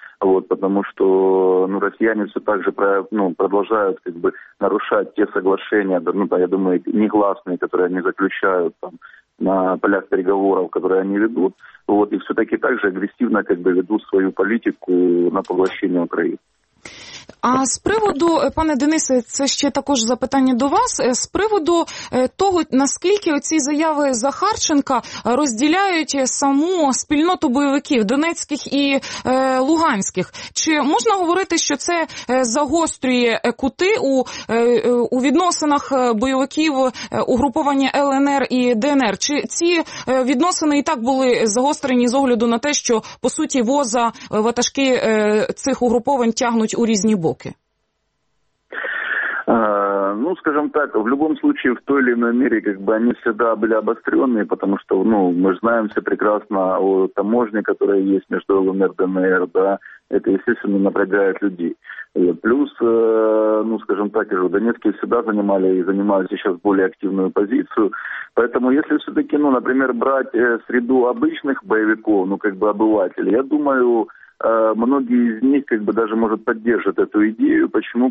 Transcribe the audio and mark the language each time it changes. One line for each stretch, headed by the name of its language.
Russian: Вот, потому что, ну, россияне все так же, ну, продолжают, как бы, нарушать те соглашения, ну, да, я думаю, негласные, которые они заключают там на полях переговоров, которые они ведут. Вот, и все-таки так же агрессивно, как бы, ведут свою политику на поглощение Украины.
Ukrainian: А з приводу, пане Денисе, це ще також запитання до вас, з приводу того, наскільки оці заяви Захарченка розділяють саму спільноту бойовиків донецьких і луганських. Чи можна говорити, що це загострює кути у відносинах бойовиків угруповання ЛНР і ДНР? Чи ці відносини і так були загострені з огляду на те, що, по суті, воза, ватажки цих угруповань тягнуть у різні боки?
Russian: Ну, скажем так, в любом случае, в той или иной мере, как бы, они всегда были обостренные, потому что, ну, мы знаем все прекрасно о таможне, которая есть между ЛНР и ДНР, да, это, естественно, напрягает людей. И плюс, ну, скажем так, же донецкие всегда занимали и занимают сейчас более активную позицию, поэтому если все-таки, ну, например, брать среду обычных боевиков, ну, как бы, обывателей, я думаю, многие из них, как бы, даже, может, поддержат эту идею. Почему?